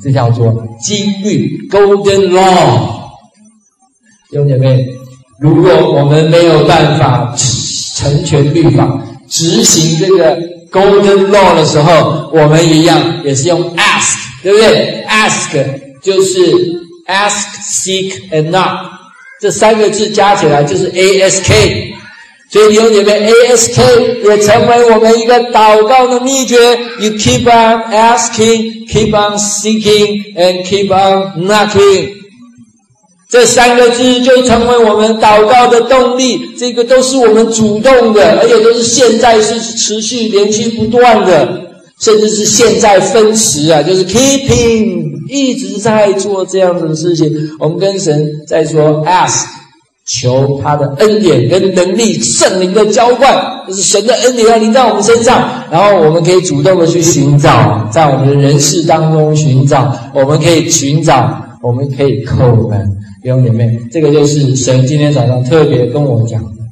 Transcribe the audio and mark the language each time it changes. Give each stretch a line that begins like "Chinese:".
Chinese: 这叫做金律 （Golden Law）。弟兄姐妹，如果我们没有办法成全律法，执行这个 Golden Law 的时候，我们一样也是用 ask， 对不对 ？ask 就是
English: ask、seek and knock，
Chinese: 这三个字加起来就是 ask。所以弟兄姐妹 ，ASK 也成为我们一个祷告的秘诀。
English: You keep on asking, keep on seeking, and keep on knocking。
Chinese: 这三个字就成为我们祷告的动力。这个都是我们主动的，而且都是现在是持续连续不断的，甚至是现在分时啊，就是 keeping 一直在做这样子的事情。我们跟神在说 ask。求他的恩典跟能力，圣灵的浇灌，这是神的恩典临在我们身上，然后我们可以主动的去寻找，在我们的人事当中寻找，我们可以寻找，我们可以叩门。弟兄姐妹，这个就是神今天早上特别跟我讲的，